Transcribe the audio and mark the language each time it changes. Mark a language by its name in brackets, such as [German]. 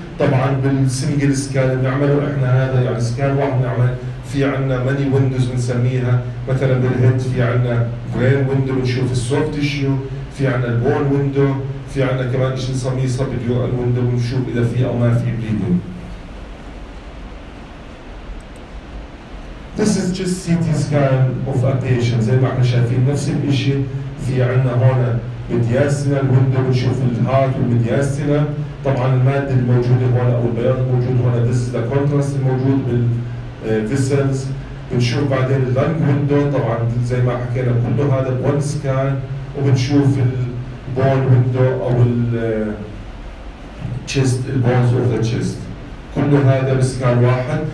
[Arabic] طبعا بالسنجل سكان بنعمله احنا هذا، يعني سكان واحد بنعمل، في عنا ماني ويندوز بنسميها، مثلا بالهيد في عنا برين ويندو بنشوف السوفت تيشيو، في عنا البون ويندو، في عنا كمان شيء نسميه سب ديورال ويندو بنشوف اذا في او ما في بليدنج. [English] This is just CT scan of a patient. [Arabic] زي ما احنا شايفين نفس الشيء، في عنا هون ميدياستينال ويندو بنشوف الهارت والميدياستينال، طبعا الماده الموجوده هون او البياض الموجود هون، [English] This is the contrast [Arabic] الموجود بال فيسلز. بنشوف بعدين اللانج ويندو، طبعا زي ما حكينا كله هذا بون سكان، وبنشوف البون ويندو او التشست، البونز اوف ذا تشست، كله هذا بسكان واحد.